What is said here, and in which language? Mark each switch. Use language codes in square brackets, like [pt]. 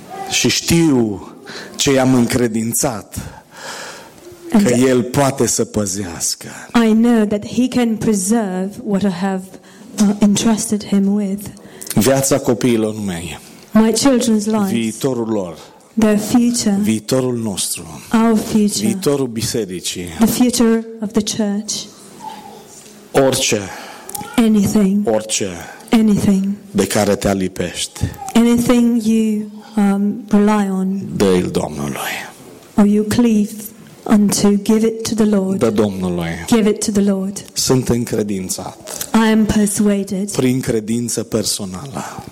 [ro] Și știu ce i-am încredințat. And că El poate să păzească. [en] I know that He can preserve what I have entrusted Him with. [ro] Viața copiilor mei. [en] My children's lives. [ro] Viitorul lor. [en] Their future. [ro] Viitorul nostru. [en] Our future. [ro] Viitorul bisericii. [en] The future of the church. [ro] Orice. [en] Anything. [ro] Orice. [en] Anything. [ro] De care te alipești. [en] Anything you rely on. [ro] Dă-l Domnului. [en] Or you cleave unto, give it to the Lord. [ro] Da Domnului. [en] Give it to the Lord. [ro] Sunt încredințat. [en] I am persuaded. [ro] Prin credință personală.